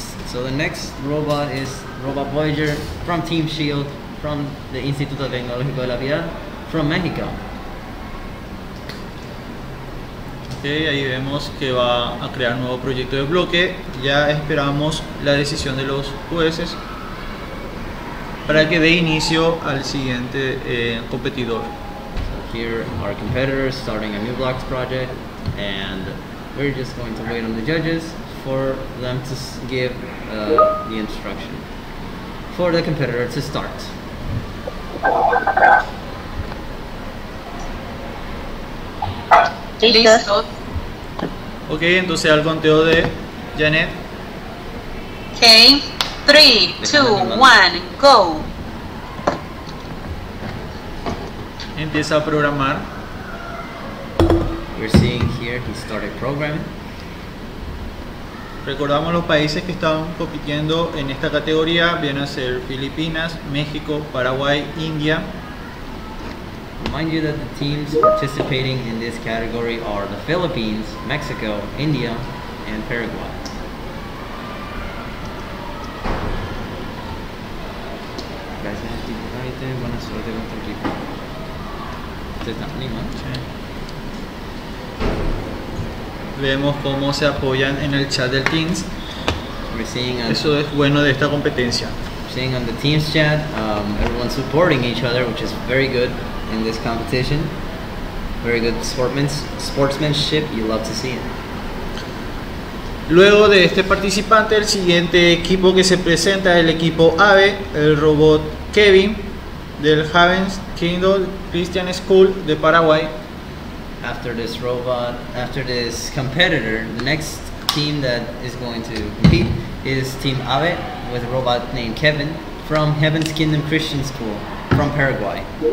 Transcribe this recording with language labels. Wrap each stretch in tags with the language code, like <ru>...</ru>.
<en>So the next robot is Robot Voyager from Team Shield, from the Instituto Tecnológico de la Vida, from Mexico.</en> <es>Okay, ahí vemos que va a crear un nuevo proyecto de bloque. Ya esperamos la decisión de los jueces para que dé inicio al siguiente competidor.</es> <en>So here are competitors starting a new blocks project, and we're just going to wait on the judges for them to give the instruction for the competitor to start.</en> <es>Listo. Okay, entonces al conteo de Janet.</es> <en>Okay, 3, 2, 1, go.</en> <es>Empieza a programar.</es> <en>We're seeing here he started programming.</en> <es>Recordamos los países que estaban compitiendo en esta categoría, vienen a ser Filipinas, México, Paraguay, India.</es> <en>Remind you that the teams participating in this category are the Philippines, Mexico, India, and Paraguay.</en> <es>Gracias, buena suerte con tu equipo. ¿Se están animando? Vemos cómo se apoyan en el chat del Teams. Eso es bueno de esta competencia.</es> <en>Seeing on the Teams chat, everyone supporting each other, which is very good in this competition. Very good sportsmanship, you love to see it.</en> <es>Luego de este participante, el siguiente equipo que se presenta es el equipo AVE, el robot Kevin del Havens Kindle Christian School de Paraguay.</es> <en>After this competitor, the next team that is going to compete is Team AVE with a robot named Kevin from Heaven's Kingdom Christian School from Paraguay.</en>